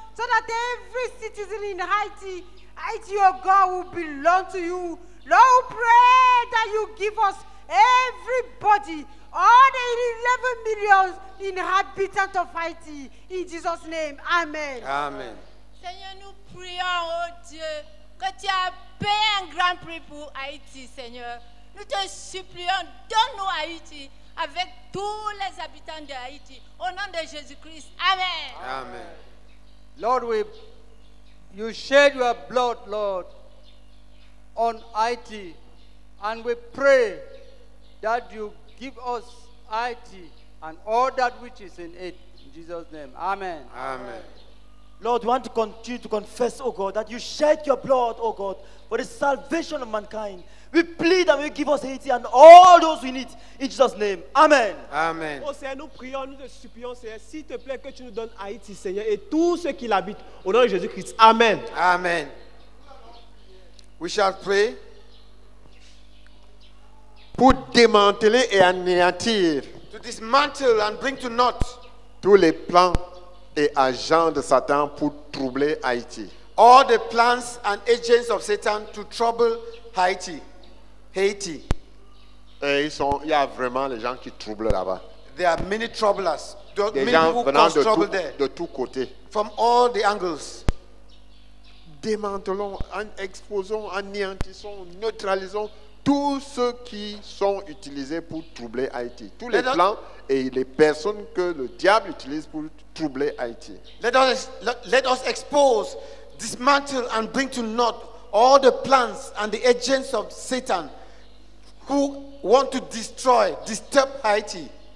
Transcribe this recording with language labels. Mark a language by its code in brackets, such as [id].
[en] So that every citizen in Haiti, Haiti, your God, will belong to you. Lord, we pray that you give us everybody, all the 11 million inhabitants of Haiti. In Jesus' name, amen. Amen. [fr] Seigneur, nous prions, oh Dieu, que tu as payé un grand prix pour Haiti, Seigneur. Nous te supplions, donne-nous Haiti avec tous les habitants de Haiti. Au nom de Jésus-Christ, amen. Amen. [en] Lord, you shed your blood, Lord, on Haiti, and we pray that you give us Haiti and all that which is in it, in Jesus' name. Amen. Amen. Lord, we want to continue to confess, oh God, that you shed your blood, oh God, for the salvation of mankind. We plead that you give us Haiti and all those we need, in Jesus' name. Amen. Amen. [fr] Oh Seigneur, nous prions, nous te supplions, Seigneur, s'il te plaît, que tu nous donnes Haiti, Seigneur, et tous ceux qui l'habitent, au nom de Jésus-Christ. Amen. [en] Amen. We shall pray [fr] pour démanteler et anéantir, [en] to dismantle and bring to naught [fr] tous les plans et agents de Satan pour troubler Haïti. [en] All the plans and agents of Satan to trouble Haïti. Haïti. [fr] Et il y a vraiment les gens qui troublent là-bas. [en] There are many troublers. Many gens who venant cause trouble there. [fr] De tous côtés. [en] From all the angles. [fr] Démantelons, exposons, anéantissons, neutralisons tous ceux qui sont utilisés pour troubler Haïti. Tous les plans et les personnes que le diable utilise pour troubler Haïti. [en] Let us expose, dismantle and bring to naught all the plans and the agents of Satan who want to destroy, disturb Haiti.